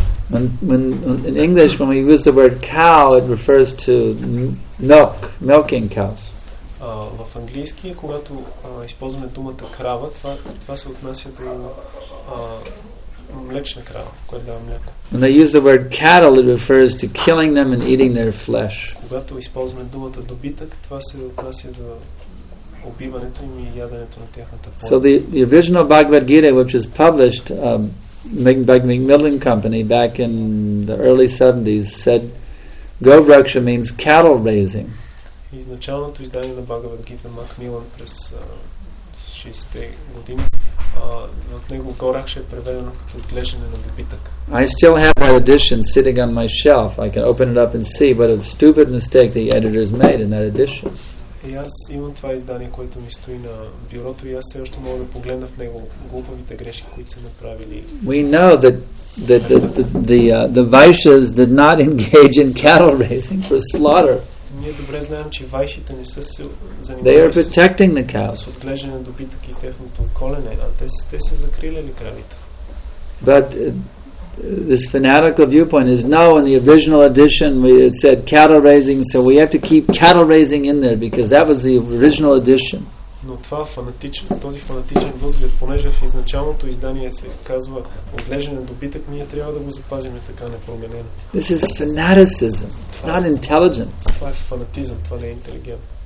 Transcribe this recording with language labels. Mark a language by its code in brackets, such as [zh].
[en] In English, when we use the word cow, it refers to milking cows. [bg] В английски, когато използваме думата крава, това се отнася до млечна крава, която дава мляко. [en] When they use the word cattle, it refers to killing them and eating their flesh. [bg] Когато използваме думата добитък, това се отнася до убиването им и яденето на тяхната плът. [en] So the original Bhagavad Gita, which was published by Macmillan Company back in the early 70s, said Gauraksha means cattle raising. [bg] Изначалното издание на Bhagavad Gita Macmillan през 60-те години, в него Gauraksha е преведено като отглеждане на добитък. [en] I still have that edition sitting on my shelf. I can open it up and see what a stupid mistake the editors made in that edition. [bg] И аз имам това издание, което ми стои на бюрото и аз все още мога да погледна в него глупавите грешки, които са направили. [en] We know that the Vaishyas did not engage in cattle raising for slaughter. [bg] Ние добре знаем, че вайшите не са се занимавали. [en] They are protecting the cows. [bg] С отглеждане на добитък и техното колене, а те са закрилили кравите. [en] But this fanatical viewpoint is no, in the original edition it said cattle raising, so we have to keep cattle raising in there because that was the original edition. [bg] Но това този фанатичен възглед, понеже в изначалното издание се казва отглеждане на добитък, ние трябва да го запазим така непроменено. [en] This is fanaticism. It's not intelligent. [bg] Това е фанатизъм, това не е интелигент.